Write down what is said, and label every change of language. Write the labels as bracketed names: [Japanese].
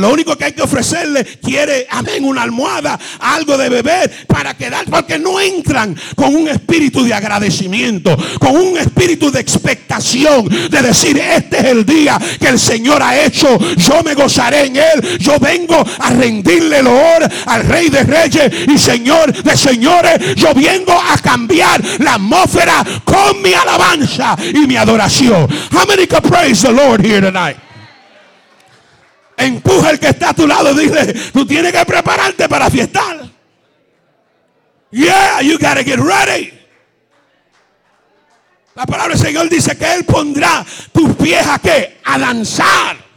[Spanish] Lo único que hay que ofrecerle, quiere, amén, una almohada, algo de beber para quedar, porque no entran con un espíritu de agradecimiento, con un espíritu de expectación, de decir, este es el día que el Señor ha hecho, yo me gozaré en él, yo vengo a rendirle el honor al Rey de Reyes y Señor de Señores, yo vengo a cambiar la atmósfera con mi alabanza y mi adoración. [English] How many can praise the Lord here tonight? [Spanish] Empuja el que está a tu lado y dile, tú tienes que prepararte para fiestar. [English] Yeah, you gotta get ready. [Spanish] La palabra del Señor dice que Él pondrá tus pies a qué? A danzar.